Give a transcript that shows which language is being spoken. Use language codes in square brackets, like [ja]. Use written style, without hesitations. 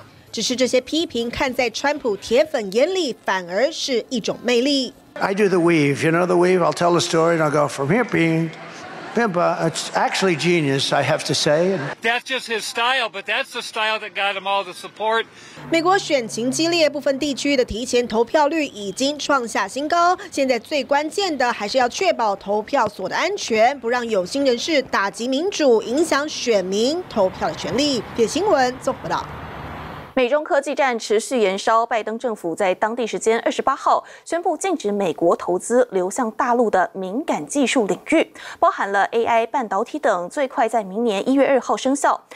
[zh] 只是这些批评看在川普铁粉眼里反而是一种魅力。 [en] I do the weave, you know the weave? I'll tell the story and I'll go from here being Pimpa. It's actually genius, I have to say. That's just his style, but that's the style that got him all the support. [zh] 美国选情激烈，部分地区的提前投票率已经创下新高。现在最关键的还是要确保投票所的安全，不让有心人士打击民主，影响选民投票的权利。铁新闻综合报道。美中科技战持续延烧，拜登政府在当地时间28号宣布禁止美国投资流向大陆的敏感技术领域，包含了 AI、半导体等，最快在明年1月2号生效。